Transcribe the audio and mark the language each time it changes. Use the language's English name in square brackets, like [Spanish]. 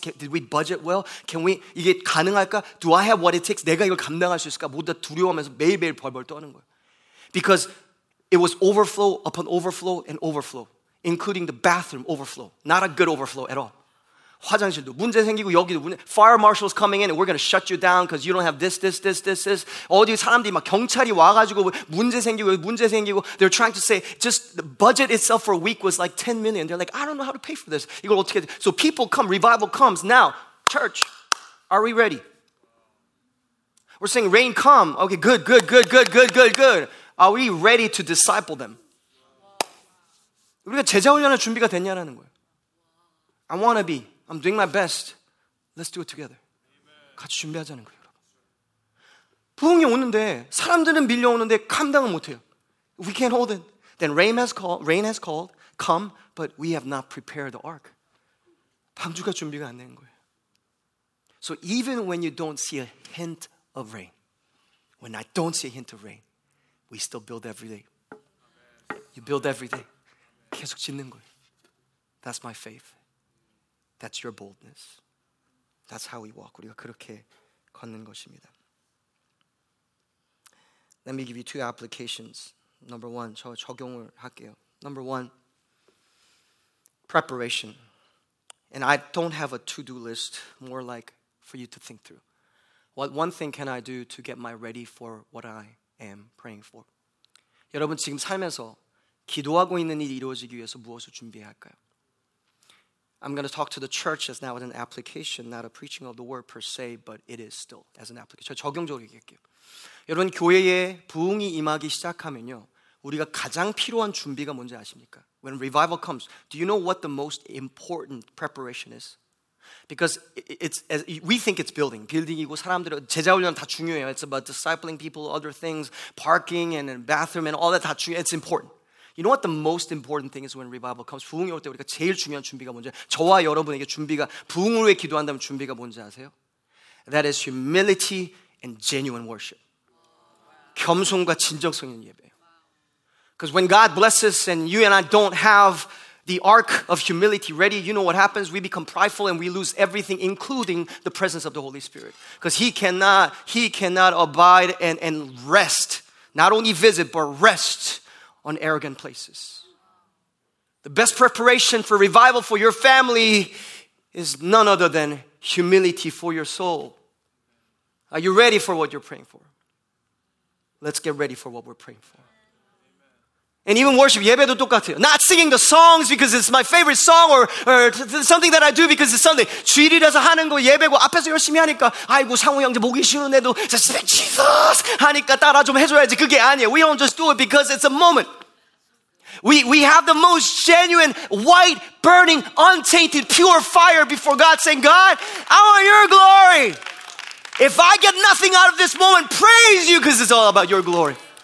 [English] Did we budget well? Can we, [Korean] 이게 가능할까? [English] Do I have what it takes? [Korean] 내가 이걸 감당할 수 있을까? 모두 다 두려워하면서 매일매일 벌벌 떠는 거예요. [English] Because it was overflow upon overflow and overflow, including the bathroom overflow. Not a good overflow at all. [Korean] 화장실도 문제 생기고 여기도 문제. [English] Fire marshal's coming in and we're going to shut you down because you don't have this, this, this, this, this. [Korean] 어디 사람들이 막 경찰이 와가지고 문제 생기고 [English] 문제 생기고 they're trying to say just the budget itself for a week was like 10 million. They're like, I don't know how to pay for this. [Korean] 이걸 어떻게 해야 돼? [English] So people come, revival comes. Now, church, are we ready? We're saying rain come. Okay, good, good, good, good, good, good, good. Are we ready to disciple them? [Korean] 우리가 제자 훈련할 준비가 됐냐라는 거예요. [English] I want to be. I'm doing my best. Let's do it together. [Korean] 같이 준비하자는 거예요, 여러분. 부흥이 오는데 사람들은 밀려오는데 감당은 못 해요. [English] We can't hold it. Then rain has called. Come, but we have not prepared the ark. [Korean] 방주가 준비가 안 된 거예요. [English] So even when you don't see a hint of rain, when I don't see a hint of rain, we still build every day. You build every day. [Korean] 계속 짓는 거예요. [English] That's my faith. That's your boldness. That's how we walk. [Korean] 우리가 그렇게 걷는 것입니다. [English] Let me give you two applications. Number one, [Korean] 저 적용을 할게요. [English] Number one, preparation. And I don't have a to-do list, more like for you to think through. What one thing can I do to get my ready for what I am praying for? [Korean] 여러분, 지금 살면서 기도하고 있는 일이 이루어지기 위해서 무엇을 준비해야 할까요? [English] I'm going to talk to the church as now as an application, not a preaching of the word per se, but it is still as an application. [Korean] 저 적용적으로 얘기할게요. 여러분, 교회에 부흥이 임하기 시작하면요, 우리가 가장 필요한 준비가 뭔지 아십니까? [English] When revival comes, do you know what the most important preparation is? Because we think it's building. [Korean] Building이고 사람들, 제자 훈련 다 중요해요. [English] It's about discipling people, other things, parking and bathroom and all that [Korean] 다 중요해요. [English] It's important. You know what the most important thing is when revival comes? [Korean] 부흥이 올 때 우리가 제일 중요한 준비가 뭔지 저와 여러분에게 준비가 부흥을 위해 기도한다면 준비가 뭔지 아세요? [English] That is humility and genuine worship. [Korean] 겸손과 진정성 있는 예배예요. [English] Because when God blesses and you and I don't have the ark of humility ready, you know what happens? We become prideful and we lose everything, including the presence of the Holy Spirit. Because he cannot abide and rest. Not only visit, but rest. On arrogant places. The best preparation for revival for your family is none other than humility for your soul. Are you ready for what you're praying for? Let's get ready for what we're praying for. And even worship, [Korean] 예배도 똑같아요. [English] Not singing the songs because it's my favorite song or something that I do because it's Sunday. [Korean] 주일이라서 하는 거 예배고 앞에서 열심히 하니까 아이고 상우 형제 목이 쉬는데도 Jesus 하니까 따라 좀 해줘야지 그게 아니에요. [English] We don't just do it because it's a moment. We have the most genuine, white, burning, untainted, pure fire before God saying, God, I want your glory. If I get nothing out of this moment, praise you because it's all about your glory.